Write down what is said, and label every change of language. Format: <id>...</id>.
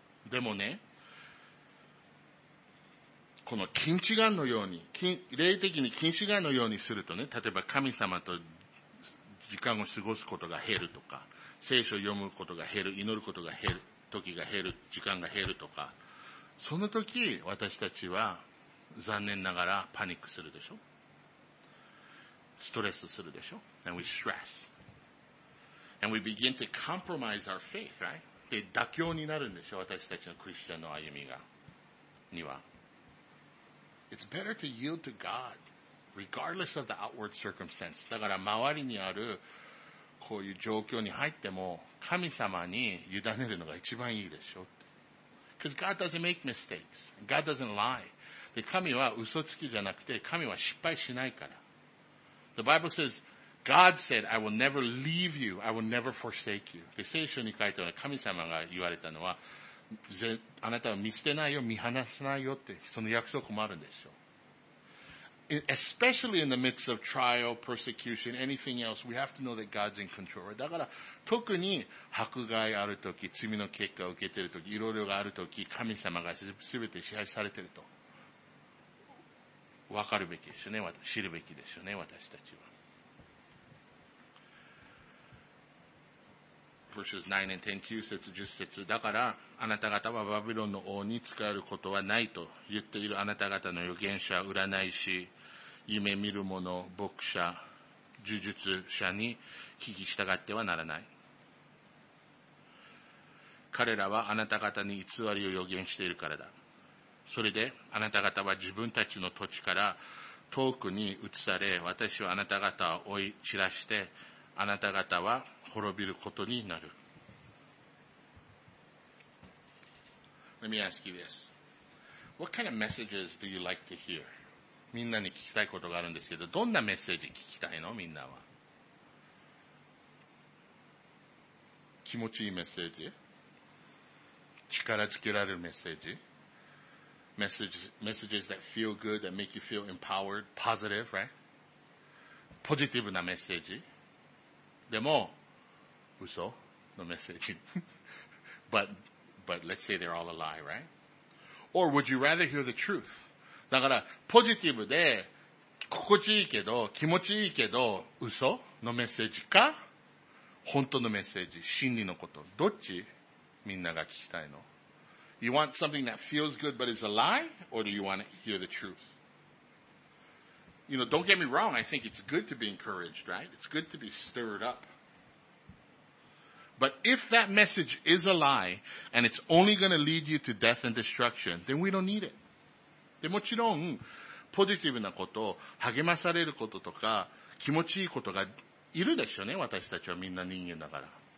<ja>でもね、この近視眼のように、霊的に近視眼のようにするとね、例えば神様と時間を過ごすことが減るとか、聖書を読むことが減る、祈ることが減る、時が減る、時間が減るとか、その時私たちは残念ながらパニックするでしょ？ストレスするでしょ？</ja> <en>And we stress. And we begin to compromise our faith, right?</en> <ja>で、妥協になるんでしょ？私たちのクリスチャンの歩みが、には。</ja> <en>It's better to yield to God, regardless of the outward circumstance.</en> <ja>だから周りにあるこういう状況に入っても神様に委ねるのが一番いいでしょ。</ja> <en>Because God doesn't make mistakes. God doesn't lie.</en> <ja>で、神は嘘つきじゃなくて神は失敗しないから。</ja> <en>The Bible says, God said, I will never leave you. I will never forsake you.</en> <ja>で、聖書に書いてある神様が言われたのはあなたは見捨てないよ、見放さないよって、その約束もあるんですよ。</ja> <en>Especially in the midst of trial, persecution, anything else, we have to know that God's in control.</en> <ja>だから、特に迫害あるとき、罪の結果を受けているとき、いろいろがあるとき、神様が全て支配されていると。わかるべきですよね、知るべきですよね、私たちは。</ja> <en>verses 9 and 10,</en> <ja>9節、10節。だから、あなた方はバビロンの王に仕えることはないと言っているあなた方の預言者、占い師、夢見る者、牧者、呪術者に聞き従ってはならない。彼らはあなた方に偽りを預言しているからだ。それであなた方は自分たちの土地から遠くに移され、私はあなた方を追い散らして、あなた方は滅びることになる。</ja> <en>Let me ask you this. What kind of messages do you like to hear?</en> <ja>みんなに聞きたいことがあるんですけど、どんなメッセージ聞きたいの、みんなは。気持ちいいメッセージ、力づけられるメッセージ、</ja> <en>Messages that feel good, that make you feel empowered, positive, right?</en> <ja>ポジティブなメッセージ。でも、嘘のメッセージ。</ja> <en>but let's say they're all a lie, right? Or would you rather hear the truth?</en> <ja>だから、ポジティブで、心地いいけど、気持ちいいけど、嘘のメッセージか、本当のメッセージ、真理のこと。どっちみんなが聞きたいの？</ja> <en>You want something that feels good but is a lie, or do you want to hear the truth? You know, don't get me wrong, I think it's good to be encouraged, right? It's good to be stirred up. But if that message is a lie, and it's only going to lead you to death and destruction, then we don't need it.</en> <ja>でもちろん、ポジティブなこと、励まされることとか、気持ちいいことがいるでしょうね、私たちはみんな人間だから。</ja>